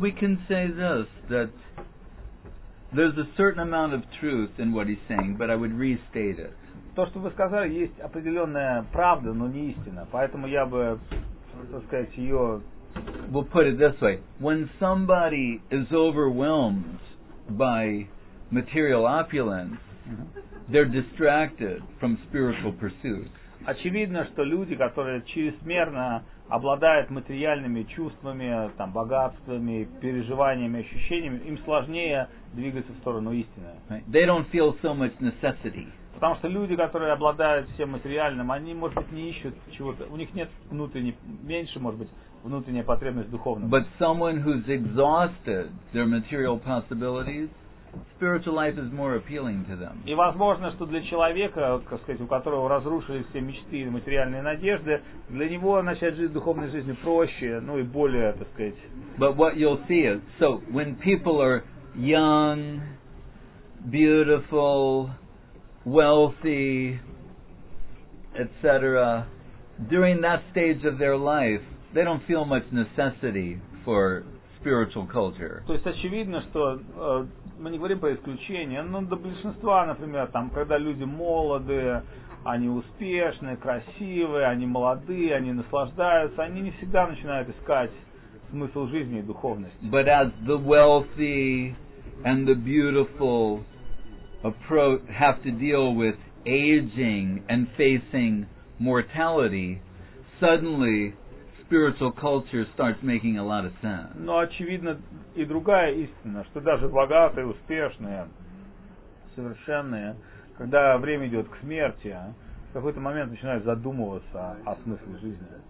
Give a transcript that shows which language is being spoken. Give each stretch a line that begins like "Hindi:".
English: We can say this, that there's a certain amount of truth in what he's saying, but I would restate it.
Russian: То, что вы сказали, есть определенная правда, но не истина. Поэтому я бы, так сказать, ее...
English: We'll put it this way. When somebody is overwhelmed by material opulence, they're distracted from spiritual pursuit.
Russian: Очевидно, что люди, которые чрезмерно обладают материальными чувствами, там, богатствами, переживаниями, ощущениями, им сложнее двигаться в сторону истины.
English: Right. They don't feel so much necessity.
Russian: Потому что люди, которые обладают всем материальным, они, может быть, не ищут чего-то. У них нет внутренней потребности духовной.
English: But someone who's exhausted their material possibilities, spiritual life is more appealing to them.
Russian: И возможно, что для человека, как сказать, у которого разрушились все мечты и материальные надежды, для него начать жить духовной жизнью проще, ну и более, так сказать.
English: But what you'll see is, so when people are young, beautiful, wealthy, etc., during that stage of their life, they don't feel much necessity for spiritual culture.
Russian: То есть очевидно, что мы не говорим про исключения, но для большинства, например, там, когда люди молодые, они успешные, красивые, они молодые, они наслаждаются, они не всегда начинают искать смысл жизни и духовность.
English: But as the wealthy and the beautiful approach, have to deal with aging and facing mortality, suddenly spiritual culture starts making a lot of sense.
Russian: Но очевидно и другая истина, что даже богатые, успешные, совершенные, когда время идет к смерти, в какой-то момент начинают задумываться о смысле жизни.